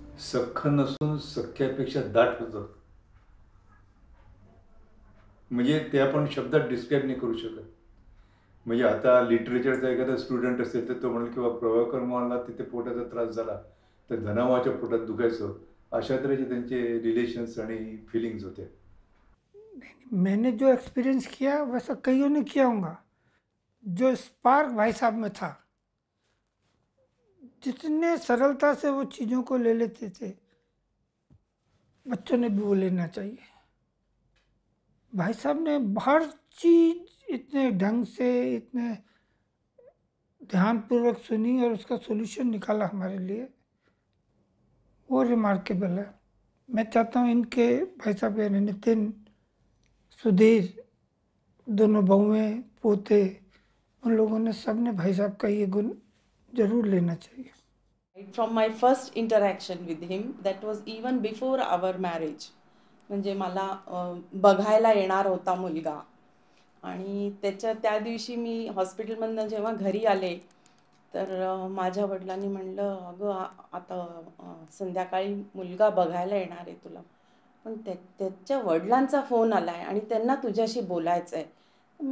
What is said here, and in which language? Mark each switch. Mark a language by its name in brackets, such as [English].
[Marathi] सख्ख नसून सख्ख्यापेक्षा दाट होतं, म्हणजे ते आपण शब्दात डिस्क्राईब नाही करू शकत. म्हणजे आता लिटरेचरचा एखादा स्टुडंट असेल तर तो म्हणेल की बा प्रभाकर मोहनला तिथे पोटाचा त्रास झाला तर धनावाच्या पोटात दुखायचं, अशा तऱ्हेचे त्यांचे रिलेशन्स आणि फिलिंग्स होत्या. [Hindi] मैंने जो एक्सपीरियंस किया वैसा कईयों ने किया होगा। जो स्पार्क भाई साहब में था, जितने सरलता से वो चीज़ों को ले लेते थे, बच्चों ने भी वो लेना चाहिए। भाई साहब ने हर चीज़ इतने ढंग से, इतने ध्यानपूर्वक सुनी और उसका सोल्यूशन निकाला हमारे लिए, वो रिमार्केबल है। मैं चाहता हूँ इनके भाई साहब यानी नितिन, सुधीर, दोनों बहुएँ, पोते, उन लोगों ने सब ने भाई साहब का ये गुण जरूर लेना चाहिए। [English] from my first interaction with him, that was even before our marriage, [Marathi] म्हणजे मला बघायला येणार होता मुलगा, आणि त्याच्या त्या दिवशी मी हॉस्पिटलमधनं जेव्हा घरी आले तर माझ्या वडिलांनी म्हणलं, अगं आता संध्याकाळी मुलगा बघायला येणार आहे तुला, पण त्याच्या वडिलांचा फोन आला आहे आणि त्यांना तुझ्याशी बोलायचं आहे।